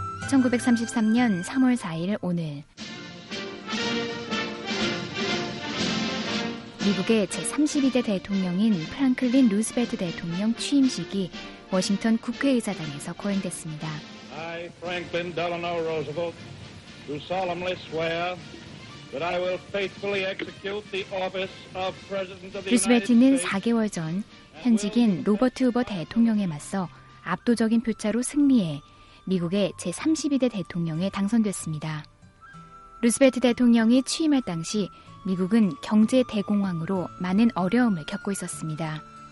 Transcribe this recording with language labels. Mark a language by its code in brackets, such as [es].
[ko] 1933년 3월 4일 오늘 미국의 제32대 대통령인 프랭클린 루스벨트 대통령 취임식이 워싱턴 국회의사당에서 거행됐습니다. [en] I, Franklin Delano Roosevelt, do solemnly swear that I will faithfully execute the office of President of the United States. [ko] 루스벨트는 4개월 전 현직인 로버트 후버 대통령에 맞서 압도적인 표차로 승리해 미국의 제32대 대통령에 당선됐습니다. 루스벨트 대통령이 취임할 당시 미국은 경제 대공황으로 많은 어려움을 겪고 있었습니다.